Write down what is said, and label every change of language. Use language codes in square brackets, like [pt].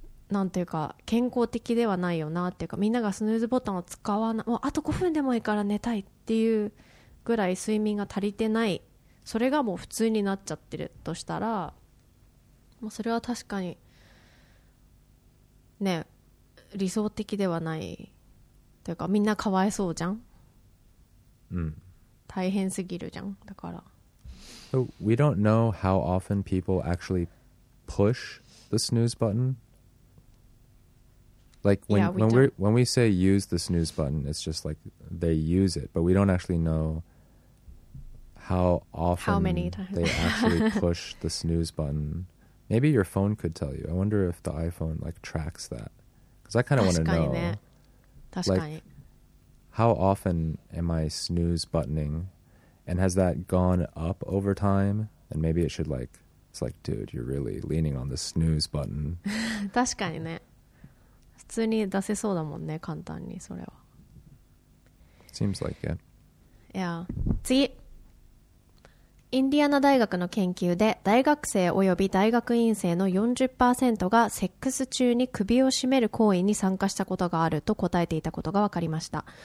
[ja] なんていうか健康的ではないよなっていうか、みんながスヌーズボタンを使わない、もうあと5分でもいいから寝たいっていうぐらい睡眠が足りてない、それがもう普通になっちゃってるとしたら、もうそれは確かにね理想的ではないというか、みんなかわいそうじゃん、うん、大変すぎるじゃん。だから、 [en] so、We don't know how often people actually push the snooze buttonLike when we say use the snooze button, it's just like they use it, but we don't actually know how often how many times. They actually push the snooze button. Maybe your phone could tell you. I wonder if the iPhone like tracks that. Because I kind of want to know. Like, how often am I snooze buttoning? And has that gone up over time? And maybe it should like, it's like, dude, you're really leaning on the snooze button. [ja] 確かにね。普通に出せそうだもんね、簡単に。それは [en] Seems like it. Yeah. [ja] 次、インディアナ大学の研究で大学生及び大学院生の 40% がセックス中に首を絞める行為に参加したことがあると答えていたことが分かりました。